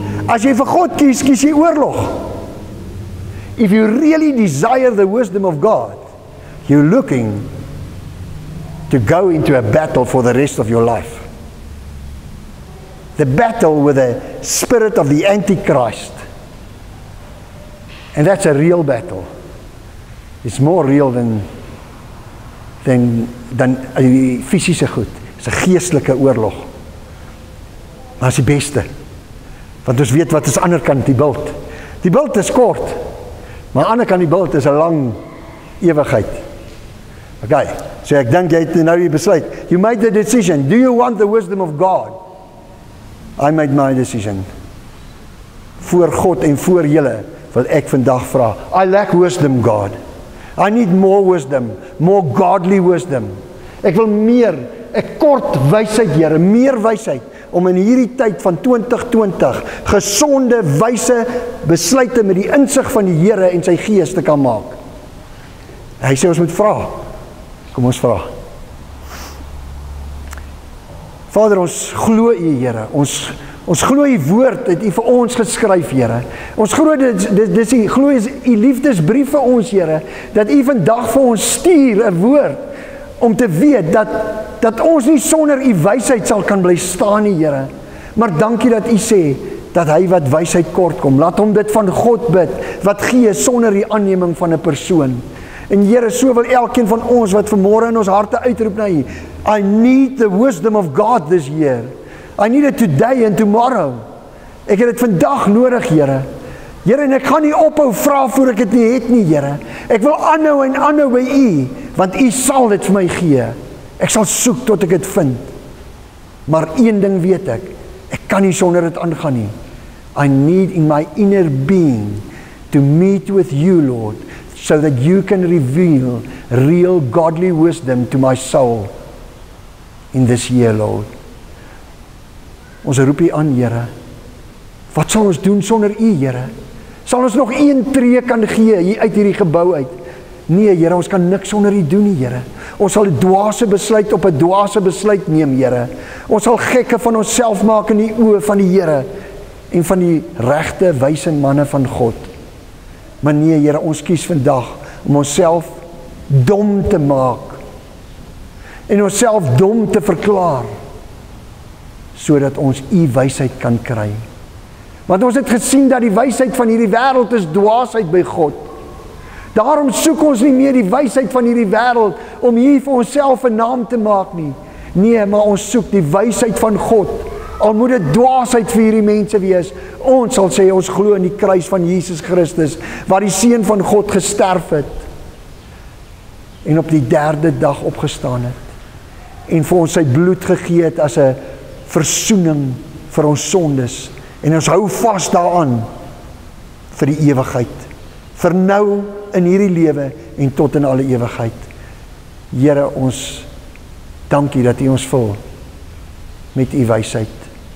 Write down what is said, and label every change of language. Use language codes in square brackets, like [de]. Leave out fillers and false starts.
[af] As jy vir God kies, kies jy oorlog. [en] If you really desire the wisdom of God, you're looking to go into a battle for the rest of your life. The battle with the spirit of the Antichrist. And that's a real battle. It's more real than [af] die fysische goed. [en] It's a [af] geestelike oorlog. Maar is die beste. Want ons weet wat is aan de andere kant die beeld. Die beeld is kort. Maar aan de andere kant die beeld is een lang eeuwigheid. Oké, so ek denk jy het nou die besluit. [en] You made the decision. Do you want the wisdom of God? I made my decision. [af] Voor God en voor julle wil ek vandag vra. [en] I lack wisdom, God. I need more wisdom, more godly wisdom. [af] Ek wil meer, ek kort wysheid, Here, meer wysheid om in hierdie tyd van 2020 gesonde wyse besluite met die insig van die Here en sy gees te kan maak. Hy sê ons moet vra. Kom ons vra. Vader, ons glo U, Here. Ons glo U woord het U vir ons geskryf, Here. Ons glo dis U liefdesbrief vir ons, Here, dat U vandag vir ons stuur 'n woord om te weet dat ons nie sonder U wysheid sal kan bly staan nie, Here. Maar dankie dat U sê dat hy wat wysheid kort kom, laat hom dit van God bid wat gee sonder die aanneming van 'n persoon. En Here, so wil elkeen van ons wat vanmôre in ons harte uitroep na U, [en] I need the wisdom of God this year. I need it today and tomorrow. [af] Ek het dit vandag nodig, Here. Here, en ek gaan nie ophou vra voor ek dit nie het nie, Here. Ek wil aanhou en aanhou by U, want U sal dit vir my gee. Ek sal soek tot ek dit vind. Maar een ding weet ek, ek kan nie sonder dit aangaan nie. [en] I need in my inner being to meet with You, Lord, so that You can reveal real godly wisdom to my soul in this year, Lord. [af] Ons roep U aan, Here. Wat sal ons doen sonder U, Here? Sal ons nog een tree kan gee hier uit hierdie gebou uit? Nee, Here, ons kan niks sonder U doen nie, Here. Ons sal 'n dwaase besluit op 'n dwaase besluit neem, Here. Ons sal gekke van onsself maak in die oë van die Here en van die regte wyse manne van God. Maar nee, Here, ons kies vandag om onsself dom te maak en onsself dom te verklaar sodat ons U wysheid kan kry. Want ons het gesien dat die wysheid van hierdie wêreld is dwaasheid by God. Daarom soek ons nie meer die wysheid van hierdie wêreld om hier vir onsself 'n naam te maak nie. Nee, maar ons soek die wysheid van God. Al moet dit dwaasheid vir hierdie mense wees. Ons sal sê ons glo in die kruis van Jesus Christus waar die Seun van God gesterf het en op die derde dag opgestaan het en vir ons sy bloed gegee het as 'n versoening vir ons sondes en ons hou vas daaraan vir die ewigheid. Vir nou in hierdie lewe en tot in alle ewigheid. Here, ons dankie dat U ons vul met U wysheid.